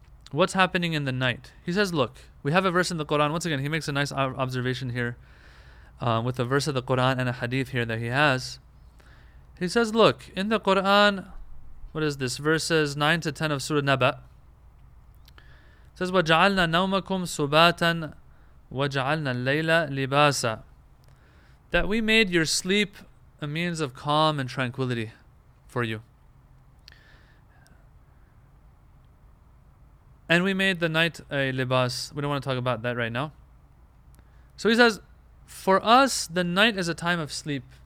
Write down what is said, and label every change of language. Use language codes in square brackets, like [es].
[en] What's happening in the night? He says, look, we have a verse in the Quran. Once again, he makes a nice observation here with a verse of the Quran and a hadith here that he has. He says, look, in the Quran, what is this? Verses 9 to 10 of Surah Naba. [ar] It says, وَجَعَلْنَا نَوْمَكُمْ سُبَاتًا وَجَعَلْنَا اللَّيْلَ لِبَاسًا. [en] That we made your sleep a means of calm and tranquility for you. And we made the night a libas. We don't want to talk about that right now. So he says, for us, the night is a time of sleep.